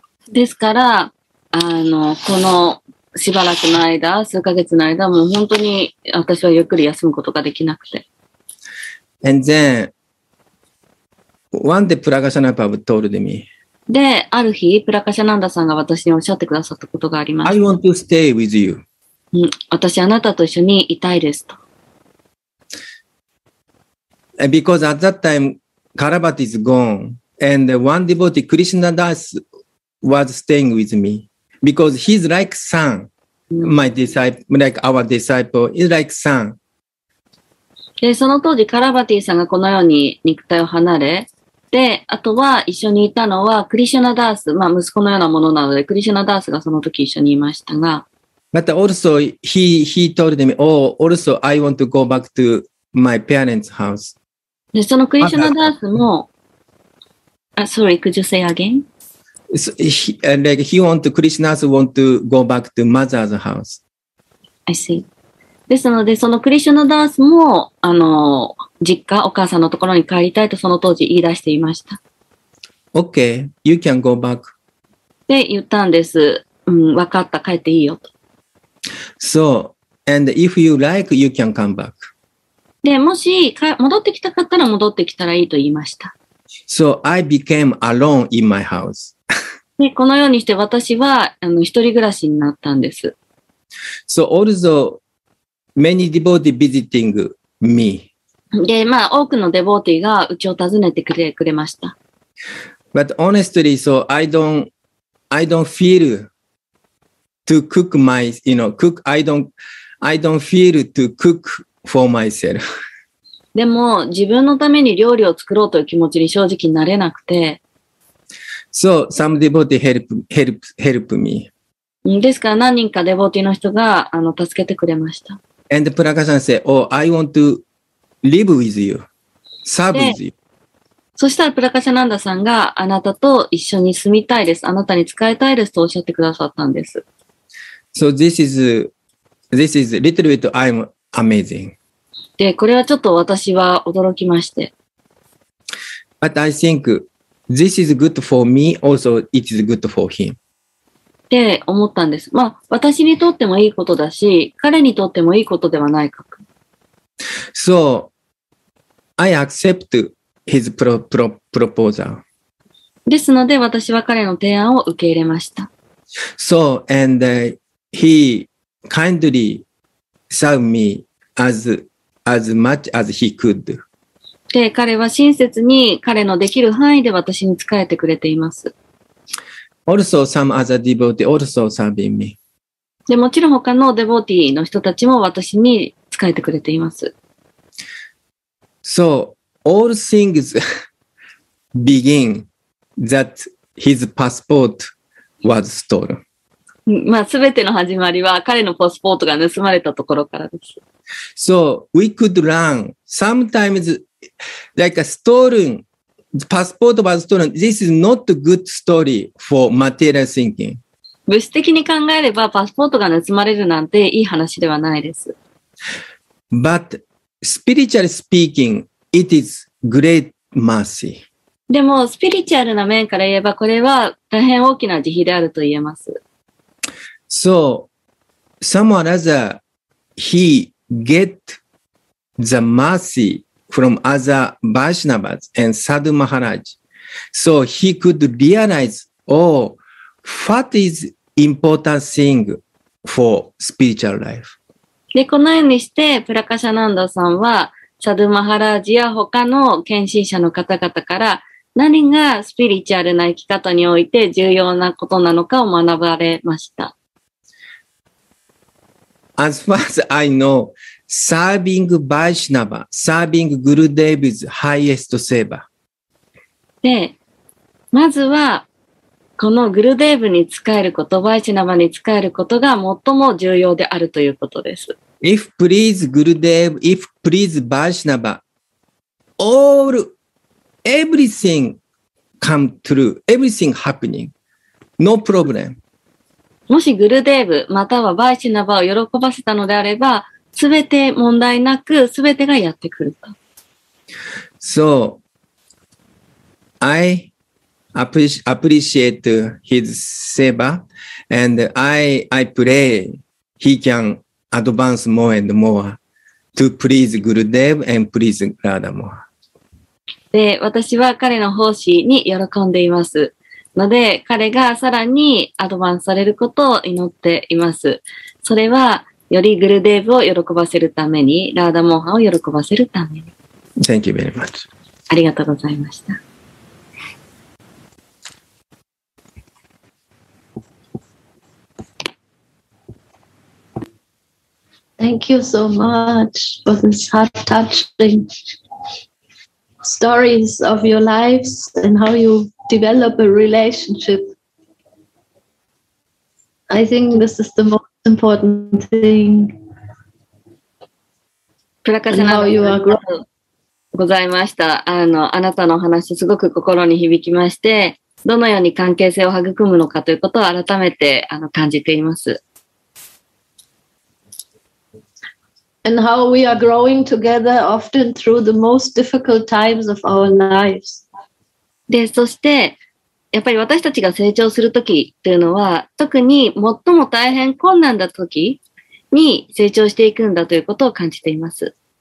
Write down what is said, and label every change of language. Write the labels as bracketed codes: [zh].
[ja] ですから、このしばらくの間、数ヶ月の間、もう本当に私はゆっくり休むことができなくて。 [en] And then, one day Pragasana Prabhu told me, [ja] で、ある日、プラカシャナンダさんが私におっしゃってくださったことがあります。 [en] I want to stay with you. [ja] 私、あなたと一緒にいたいですと。 [en] Because at that time, Karabati is gone, and one devotee, Krishna Das, was staying with me. Because he's like son, my disciple, like our disciple, he's like son. [ja] で、その当時、カラバティさんがこのように肉体を離れ、で、あとは一緒にいたのはクリシュナダース、まあ息子のようなものなのでクリシュナダースがその時一緒にいましたが、 [en] また also he told me, oh, also I want to go back to my parents' house. [ja] で、そのクリシュナダースも、 [en] sorry, could you say again? So, he, like he want to, Krishna also want to go back to mother's house. I see. [ja] ですので、そのクリシュナダースも、実家、お母さんのところに帰りたいとその当時言い出していました。 [en] Okay, you can go back. [ja] って言ったんです。うん、わかった、帰っていいよと。 [en] So, and if you like, you can come back. [ja] で、もし、戻ってきたかったら戻ってきたらいいと言いました。 [en] So, I became alone in my house. [ja] で、このようにして私は、一人暮らしになったんです。 [en] So, also,Many devotees visiting me. [ja] で、まあ、多くのデボーティーがうちを訪ねてくれました。 [en] But honestly, so I don't feel to cook my, you know, cook, I don't feel to cook for myself. [ja] でも、自分のために料理を作ろうという気持ちに正直なれなくて。 [en] So some devotees help me. [ja] ですから、何人かデボーティーの人が、助けてくれました。 [en] And Prakashan said, oh, I want to live with you, serve with you. [ja] そしたら Prakashananda さんがあなたと一緒に住みたいです。あなたに使いたいですとおっしゃってくださったんです。 [en] So this is little bit I'm amazing. [ja] で、これはちょっと私は驚きまして。 [en] But I think this is good for me, also it is good for him. [ja] って思ったんです。まあ、私にとってもいいことだし、彼にとってもいいことではないか。 [en] So, I accept his proposal. [ja] ですので、私は彼の提案を受け入れました。 [en] So, and he kindly served me as much as he could. [ja] して、彼は親切に彼のできる範囲で私に仕えてくれています。 [en] Also some other devotee also serving me. [ja] で、もちろん他のデボーティーの人たちも私に仕えてくれています。 [en] So, all things begin that his passport was stolen. [ja] まあ、すべての始まりは彼のパスポートが盗まれたところからです。 [en] So, we could learn sometimes, like a stolen, the passport was stolen. This is not a good story for material thinking. [ja] 物質的に考えればパスポートが盗まれるなんていい話ではないです。 [en] But spiritually speaking, it is great mercy. [ja] でも、スピリチュアルな面から言えばこれは大変大きな慈悲であると言えます。 [en] So, someone other, he get the mercy from other Vaishnavas and Sadhu Maharaj. So he could realize, oh, what is important thing for spiritual life. [ja] で、このようにして、プラカシャナンダさんは、サドゥ・マハラージや他の献身者の方々から、何がスピリチュアルな生き方において重要なことなのかを学ばれました。 [en] As far as I know, serving Vaishnava, serving Gurudev is highest seva. [ja] で、まずは、このグルデーブに仕えること、バイシナバに仕えることが最も重要であるということです。 [en] If please グルデーブ、if please バイシナバ、all, everything come true, everything happening, no problem. [ja] もしグルデーブ、またはバイシナバを喜ばせたのであれば、すべて問題なく、すべてがやってくると。 [en] So, I,appreciate his seva and I pray he can advance more and more to please Gurudev and please Radha more. [ja] で、私は彼の奉仕に喜んでいます。ので、彼がさらにアドバンスされることを祈っています。それは、よりグルデーブを喜ばせるために、ラーダモーハを喜ばせるために。 [en] Thank you very much. [ja] ありがとうございました。 [en] Thank you so much for this heart-touching stories of your lives and how you develop a relationship. I think this is the most important thing. [ja] プラカシャナンダさん、ありがとうございました。あなたの話すごく心に響きまして、どのように関係性を育むのかということを改めて感じています。 [en] And how we are growing together often through the most difficult times of our lives. [ja] で、そして、やっぱり私たちが成長するときというのは、特に最も大変困難だときに成長していくんだということを感じています。